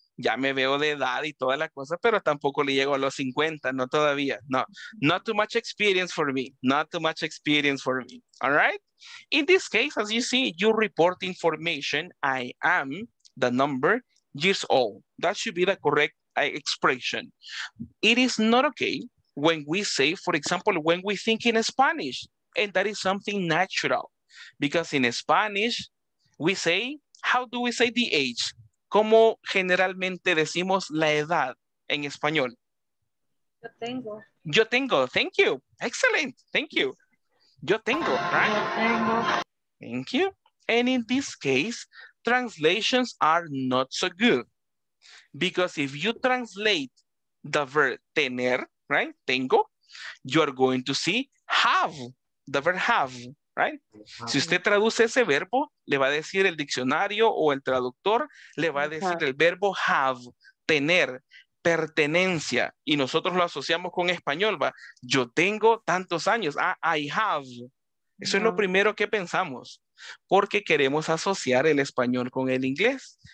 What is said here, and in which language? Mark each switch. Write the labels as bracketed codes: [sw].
[es] Ya me veo de edad y toda la cosa, pero tampoco le llego a los 50, no todavía. [en] No, not too much experience for me. Not too much experience for me, all right? In this case, as you see, you report information, I am the number years old. That should be the correct expression. It is not okay when we say, for example, when we think in Spanish, and that is something natural, because in Spanish, we say, how do we say the age? [es] ¿Cómo generalmente decimos la edad en español? Yo tengo. Yo tengo, [en] thank you. Excellent, thank you. Yo tengo, right? [es] Yo tengo. [en] Thank you. And in this case, translations are not so good. Because if you translate the verb tener, right, tengo, you are going to see have, the verb have, right? [es] Si usted traduce ese verbo, le va a decir el diccionario o el traductor, le va a decir el verbo have, tener, pertenencia. Y nosotros lo asociamos con español, va, yo tengo tantos años, [en] I have. [es] Eso es lo primero que pensamos, porque queremos asociar el español con el inglés.